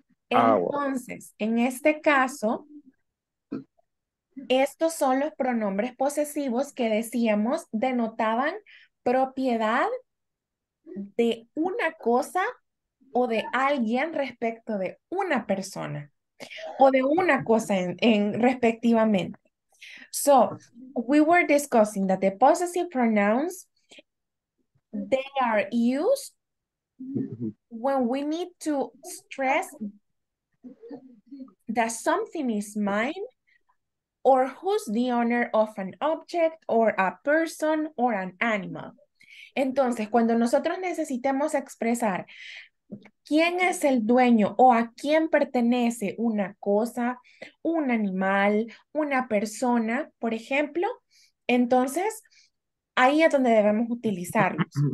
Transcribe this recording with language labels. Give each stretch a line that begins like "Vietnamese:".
Spanish: Entonces, en este caso, estos son los pronombres posesivos que decíamos denotaban propiedad de una cosa o de alguien respecto de una persona o de una cosa en respectivamente.
English: So, we were discussing that the possessive pronouns, they are used when we need to stress that something is mine, or who's the owner of an object, or a person, or an animal.
Spanish: Entonces, cuando nosotros necesitemos expresar quién es el dueño o a quién pertenece una cosa, un animal, una persona, por ejemplo, entonces, ahí es donde debemos utilizarlos.